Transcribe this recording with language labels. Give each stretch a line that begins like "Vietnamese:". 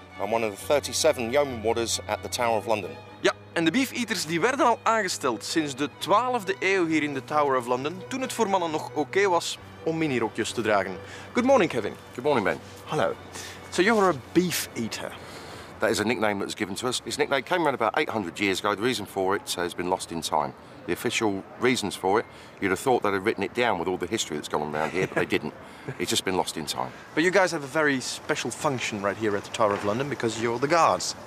English: I'm one of the 37 yeoman warders at the Tower of London.
Dutch: Ja, en de beef-eaters die werden al aangesteld sinds de 12e eeuw hier in de Tower of London, toen het voor mannen nog oké was om minirokjes te dragen.
English: Good morning, Kevin. Good morning, Ben. Hallo. So you're a beef-eater. That is a nickname that's given to us. This nickname came around about 800 years ago. The reason for it has been lost in time. The official reasons for it, you'd have thought they'd have written it down with all the history that's going around here, but they didn't. It's just been lost in time. But you guys have a very special function right here at the Tower of London because you're the guards.